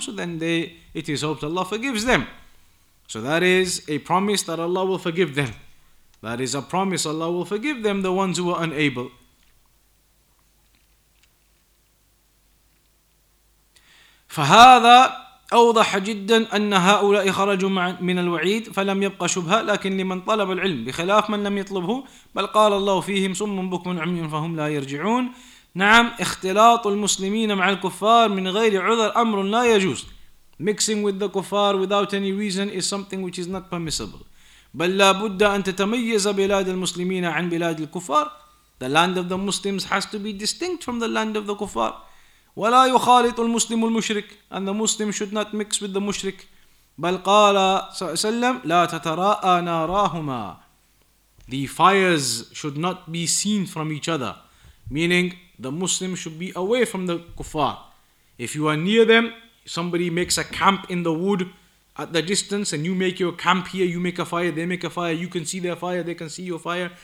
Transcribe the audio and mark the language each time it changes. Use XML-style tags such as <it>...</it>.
<en>So then it is hoped Allah forgives them. So that is a promise that Allah will forgive them. That is a promise Allah will forgive them, the ones who were unable.</en> <ar>فهذا أوضح جدا أن هؤلاء خرجوا من الوعيد فلم يبقى شبهة لكن لمن طلب العلم بخلاف من لم يطلبه بل قال الله فيهم صم بكم عمي فهم لا يرجعون. نعم اختلاط المسلمين مع الكفار من غير عذر أمر لا يجوز.</ar> <en>Mixing with the kuffar without any reason is something which is not permissible.</en> <ar>بل لا بد أن تتميز بلاد المسلمين عن بلاد الكفار.</ar> <en>The land of the Muslims has to be distinct from the land of the kuffar.</en> <ar>ولا يخالط المسلم المشرك.</ar> <en>And the Muslim should not mix with the mushrik.</en> <ar>بل قال صلى الله عليه وسلم لا تتراءى ناراهما.</ar> <en>The fires should not be seen from each other. Meaning the Muslim should be away from the kuffar. If you are near them, somebody makes a camp in the wood at the distance and you make your camp here, you make a fire, they make a fire, you can see their fire, they can see your fire.</en>